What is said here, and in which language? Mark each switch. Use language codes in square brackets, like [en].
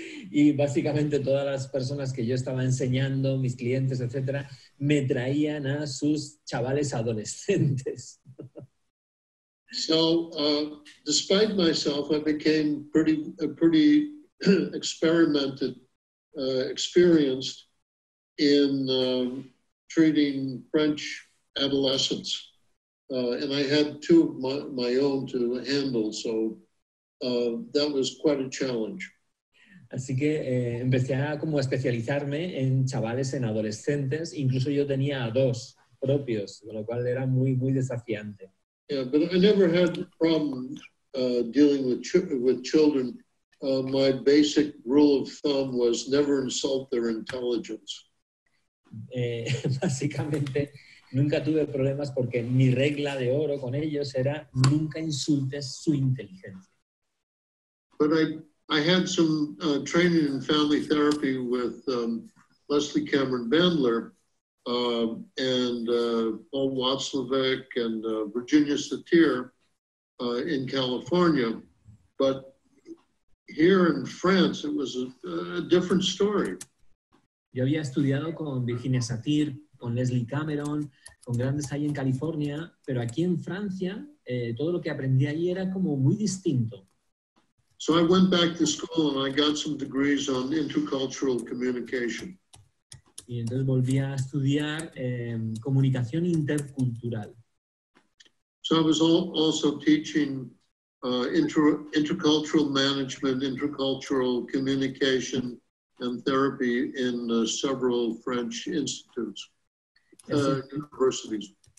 [es] Y básicamente todas las personas que yo estaba enseñando, mis clientes, etcétera, me traían a sus chavales adolescentes. [en] So, despite myself, I became pretty experimented, experienced in treating French adolescents. And I had two of my own to handle, so that was quite a challenge. [es] Así que empecé a como especializarme en chavales, en adolescentes. Incluso yo tenía dos propios, lo cual era muy, muy desafiante. [en] Yeah, but I never had a problem dealing with children. My basic rule of thumb was never insult their intelligence. [es] Básicamente, nunca tuve problemas porque mi regla de oro con ellos era nunca insultes su inteligencia. [en] But I had some training in family therapy with Leslie Cameron Bandler and Paul Watzlawick and Virginia Satir in California. But here in France, it was a different story. [es] Yo había estudiado con Virginia Satir, con Leslie Cameron, con grandes ahí en California, pero aquí en Francia, todo lo que aprendí allí era como muy distinto. [en] So I went back to school and I got some degrees on intercultural communication. [es] Y entonces volví a estudiar comunicación intercultural. [en] So I was also teaching intercultural management, intercultural communication and therapy in several French institutes, universities.